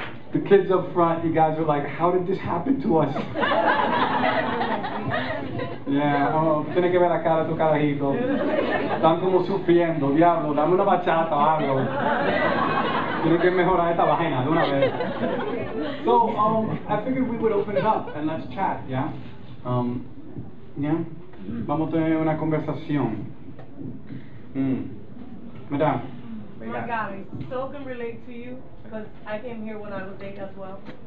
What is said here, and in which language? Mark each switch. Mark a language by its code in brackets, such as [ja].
[en] the kids up front, you guys are like, how did this happen to us? [es] Yeah, oh, tienes que ver la cara de tu carajito. Están como sufriendo, diablo, dame una bachata o algo. Tienes que mejorar esta vagina de una vez. [en] So, I figured we would open it up and let's chat, yeah? [es] Yeah? Mm. Vamos a tener una conversación. Mira. [en] Oh my God, I so can relate to you because I came here when I was 8 as well.